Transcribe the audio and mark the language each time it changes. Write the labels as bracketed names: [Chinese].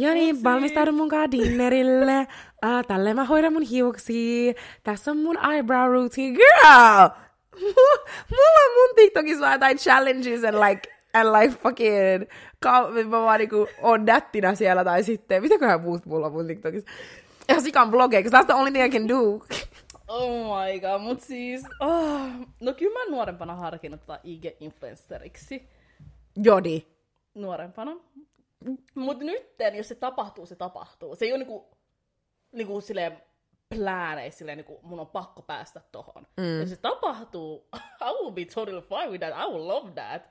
[Finnish] Joni, valmistaudu munkaan dinnerille. Tälleen mä hoidan mun hiuksia. Tässä on mun eyebrow routine. Girl! Mulla on mun TikTokissa jotain [English] challenges and like fucking... [Finnish] Mä vaan niinku oon nättinä siellä tai sitten... Mitäköhän muut mulla on mun TikTokissa? Ja sikan vlogeja, [English] because that's the only thing I can do. Oh my god, [Finnish] mut siis... [English] Oh. [Finnish] No kyllä mä nuorempana harkinnut tätä IG-influenceriksi. Jodi. Nuorempana. Mut nytten, jos se tapahtuu, se tapahtuu. Se ei ole niinku silleen plääneis, silleen niinku mun on pakko päästä tohon. Mm. Jos se tapahtuu, [English] I will be totally fine with that, I will love that.